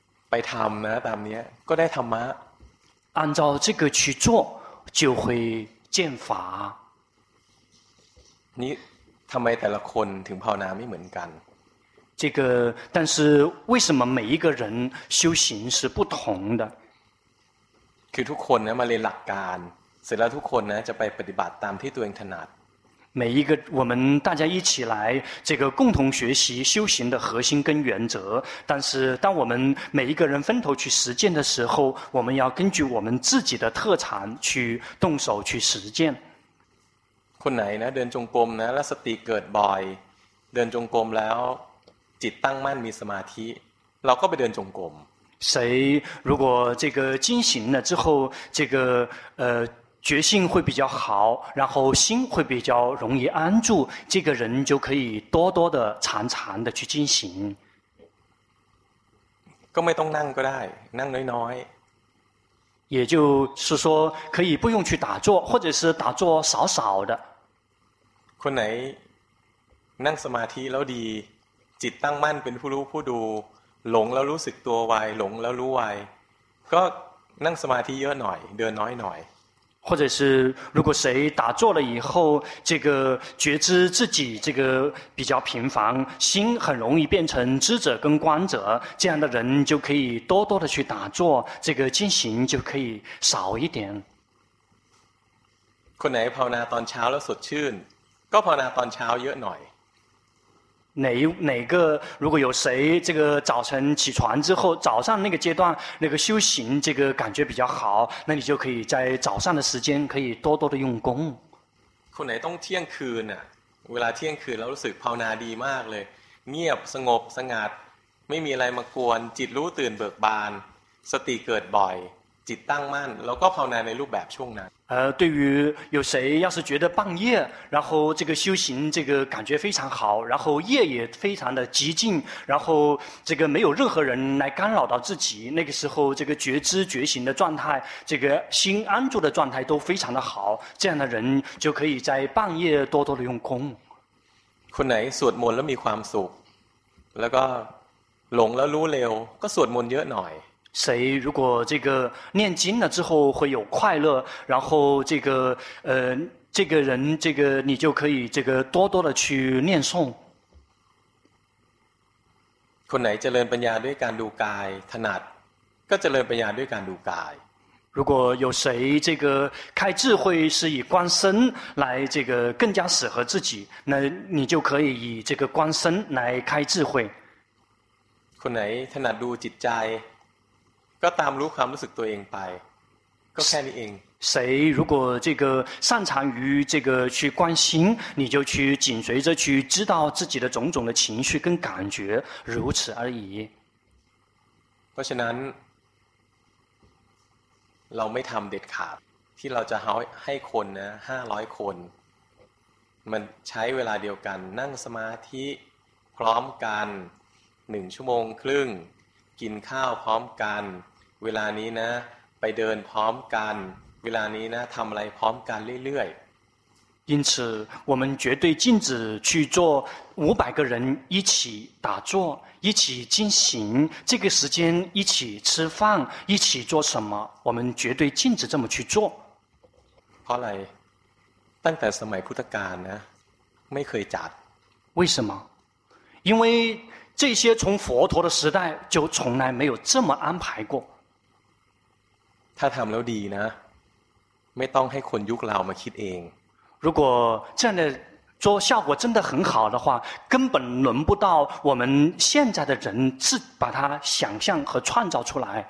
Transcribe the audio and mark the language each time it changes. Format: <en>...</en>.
<th>ไปทำนะตามนี้ก็ได้ธรรมะ</th> <zh>按照这个去做就会见法</zh> <th>นี่ทำไมแต่ละคนถึงภาวนาไม่เหมือนกัน</th> <zh>这个但是为什么每一个人修行是不同的</zh> <th>คือทุกคนนะมาเรียนหลักการเสร็จแล้วทุกคนนะจะไปปฏิบัติตามที่ตัวเองถนัด</th> <zh>每一个我们大家一起来这个共同学习修行的核心跟原则但是当我们每一个人分头去实践的时候我们要根据我们自己的特长去动手去实践</zh> <th>คนไหนนะเดินจงกรมนะแล้วสติเกิดบ่อยเดินจงกรมแล้วจิตตั้งมั่นมีสมาธิเราก็ไปเดินจงกรม</th> <zh>谁如果这个精行了之后这个觉性会比较好然后心会比较容易安住这个人就可以多多的常常的去精行</zh> <th>ก็ไม่ต้องนั่งก็ได้นั่งน้อย</th> <zh>ๆ也就是说可以不用去打坐或者是打坐少少的</zh> <th>คนไหนนั่งสมาธิแล้วดีจิตตั้งมั่นเป็นผู้รู้ผู้ดูหลงแล้วรู้สึกตัวไวหลงแล้วรู้ไวก็นั่งสมาธิเยอะหน่อยเดินน้อยหน่อย</th> <zh>或者是如果谁打坐了以后这个觉知自己这个比较频繁心很容易变成知者跟观者这样的人就可以多多的去打坐这个进行就可以少一点</zh> <th>คนไหนภาวนาตอนเช้าแล้วสดชื่นก็ภาวนาตอนเช้าเยอะหน่อย ไหนก็</th> <zh>如果有谁这个早晨起床之后早上那个阶段那个修行这个感觉比较好那你就可以在早上的时间可以多多的用功</zh> <th>คนไหนต้องเที่ยงคืนอ่ะเวลาเที่ยงคืนแล้วรู้สึกภาวนาดีมากเลยเงียบสงบสงัดไม่มีอะไรมากวนจิตรู้ตื่นเบิกบานสติเกิดบ่อย จิตตั้งมั่นแล้วก็ภาวนาในรูปแบบช่วงนั้น</th> <zh>对于有谁要是觉得半夜然后这个修行这个感觉非常好然后夜也非常的寂静然后这个没有任何人来干扰到自己那个时候这个觉知觉醒的状态这个心安住的状态都非常的好这样的人就可以在半夜多多的用功</zh> <th>คนไหนสวดมนต์แล้วมีความสุขแล้วก็หลงแล้วรู้เร็วก็สวดมนต์เยอะหน่อย</th> <zh>谁如果这个念经了之后会有快乐然后这个这个人这个你就可以这个多多的去念诵</zh> <th>คนไหนเจริญปัญญาด้วยการดูกายถนัดก็เจริญปัญญาด้วยการดูกาย</th> <zh>如果有谁这个开智慧是以观身来这个更加适合自己那你就可以以这个观身来开智慧</zh> <th>คนไหนถนัดดูจิตใจก็ตามรู้ความรู้สึกตัวเองไปก็แค่นี้เอง</th> <zh>谁如果这个擅长于这个去关心你就去紧随着去知道自己的种种的情绪跟感觉如此而已</zh> <th>เพราะฉะนั้นเราไม่ทำเด็ดขาดที่เราจะให้คนนะ500คนมันใช้เวลาเดียวกันนั่งสมาธิพร้อมกัน1ชั่วโมงครึ่งกินข้าวพร้อมกันเวลานี้นะไปเดินพร้อมกันเวลานี้นะทำอะไรพร้อมกันเรื่อย</th> <zh>ๆ因此我们绝对禁止去做500个人一起打坐一起进行这个时间一起吃饭一起做什么我们绝对禁止这么去做</zh> <th>เพราะอะไรตั้งแต่สมัยพุทธกาลนะไม่เคยจัด</th> <zh>为什么因为这些从佛陀的时代就从来没有这么安排过</zh> <th>他ทำแล้วดีนะไม่ต้องให้คนยุคเรามาคิดเอง</th> <zh>如果这样的做效果真的很好的话根本轮不到我们现在的人自把它想象和创造出来</zh>